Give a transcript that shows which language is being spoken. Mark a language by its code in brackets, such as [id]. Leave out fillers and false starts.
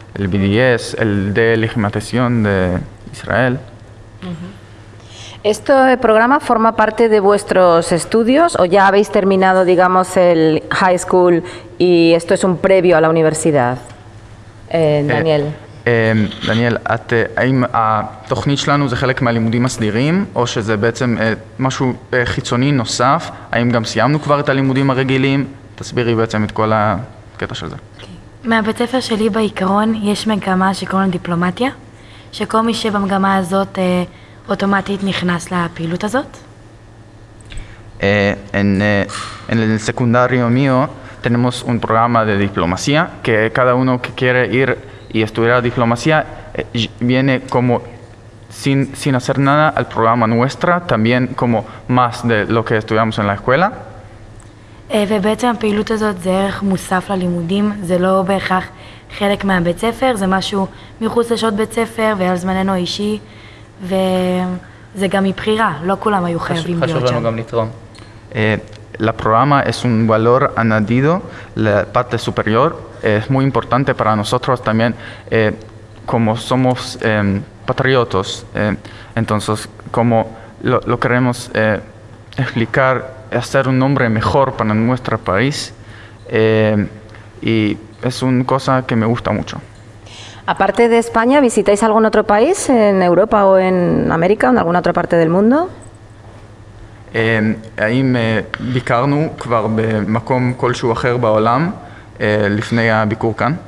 [es] El BDS, el de legitimación de Israel. ¿Este programa forma parte de vuestros estudios o ya habéis terminado, digamos, el high school y esto es un previo a la universidad? Daniel. [he] Daniel, ¿האם התוכנית שלנו זה חלק מהלימודים הסדירים או שזה בעצם משהו חיצוני נוסף? האם גם סיימנו כבר את הלימודים הרגילים? תסבירי בעצם את כל הקטע של זה. מהבית ספר שלי בעיקרון יש מגמה שקוראים דיפלומטיה, שכל מי שבמגמה הזאת אוטומטית נכנס לפעילות הזאת. [es] En el secundario mío tenemos un programa de diplomacia, que cada uno que quiere ir y estudiar diplomacia viene como sin hacer nada al programa nuestra, también como más de lo que estudiamos en la escuela. [he] ובעצם הפעילות הזאת זה ערך מוסף ללימודים, זה לא בהכרח חלק מהבית ספר, זה משהו מחוץ לשעות בית ספר ועל זמננו אישי, וזה גם מבחירה, לא כולם היו חייבים להיות שם. חשוב לנו גם לתרום. [es] La programa es un valor añadido, la parte superior es muy importante para nosotros también, como somos patriotas, entonces como lo queremos explicar, hacer un nombre mejor para nuestro país, y es una cosa que me gusta mucho. Aparte de España, ¿visitáis algún otro país en Europa o en América o en alguna otra parte del mundo? Ahí me [he] ביקרנו כבר במקום כלשהו אחר בעולם לפני הביקור כאן.